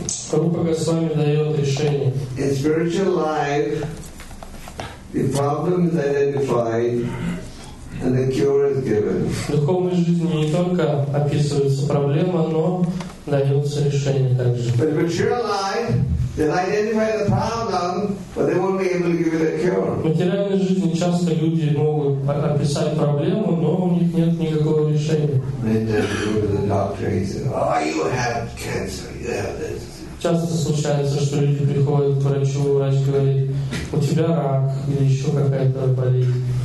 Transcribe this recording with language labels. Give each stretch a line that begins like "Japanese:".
Russian: Прабхупада с вами дает решение.
English: In spiritual life, the problem is identified and the cure is given.
Russian: В духовной жизни не только описывается проблема, но дается решение также.
English: But in material life, they'll identify the problem, but they won't be able to give you the cure.
Russian: В материальной жизни часто люди могут описать проблему, но у них нет никакого решения.
English: Then they go to the doctor and say, "Oh, you have cancer. You have this."
Russian: Часто случается, что люди приходят к врачу, и врач говорит, у тебя рак или еще какая-то болезнь.